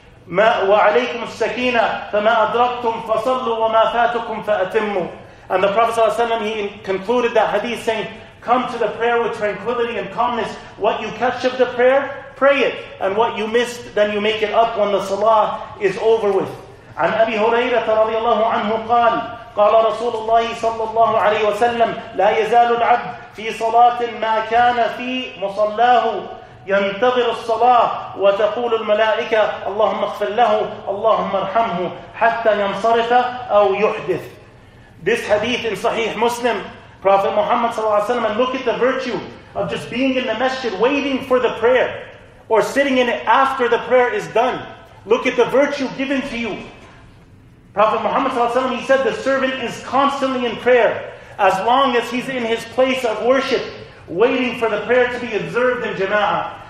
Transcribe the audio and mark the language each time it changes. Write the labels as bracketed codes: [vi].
[ar] وَعَلَيْكُمُ السَّكِينَةِ فَمَا أَدْرَكْتُمْ فَصَلُّوا وَمَا فَاتُكُمْ فَأَتِمُّوا. [en] And the Prophet ﷺ, he concluded that hadith saying, come to the prayer with tranquility and calmness. What you catch of the prayer, pray it. And what you missed, then you make it up when the salah is over with. عن أبي هريرة رضي الله عنه قال قال رسول الله صلى الله عليه وسلم لا يزال العبد في صلاة ما كان في مصلاه ينتظر الصلاة وتقول الملائكة اللهم اغفر له اللهم ارحمه حتى ينصرف أو يحدث. This hadith in Sahih Muslim, Prophet Muhammad ﷺ, and look at the virtue of just being in the masjid, waiting for the prayer, or sitting in it after the prayer is done. Look at the virtue given to you. Prophet Muhammad ﷺ, he said, the servant is constantly in prayer, as long as he's in his place of worship, waiting for the prayer to be observed in jama'ah.